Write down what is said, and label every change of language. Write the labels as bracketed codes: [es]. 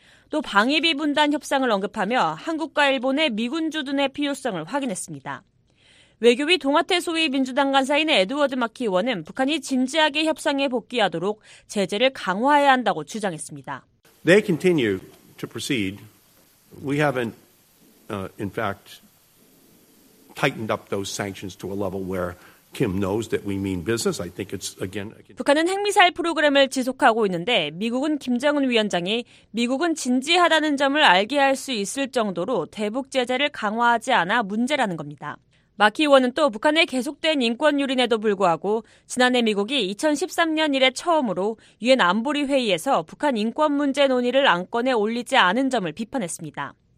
[ko] 또 방위비 분담 협상을 언급하며 한국과 일본의 미군 주둔의 필요성을 확인했습니다. 외교위 동아태 소위 민주당 간사인 에드워드 마키 의원은 북한이 진지하게 협상에 복귀하도록 제재를 강화해야 한다고 주장했습니다. [en] They continue to proceed. We haven't in fact, tightened up those sanctions to a level where Kim knows that we mean business. I think it's again. [ko] 북한은 핵미사일 프로그램을 지속하고 있는데 미국은 김정은 위원장이 미국은 진지하다는 점을 알게 할 수 있을 정도로 대북 제재를 강화하지 않아 문제라는 겁니다. 마키 의원은 또 북한의 계속된 인권 유린에도 불구하고 지난해 미국이 2013년 이래 처음으로 유엔 안보리 회의에서 북한 인권 문제 논의를 안건에 올리지 않은 점을 비판했습니다.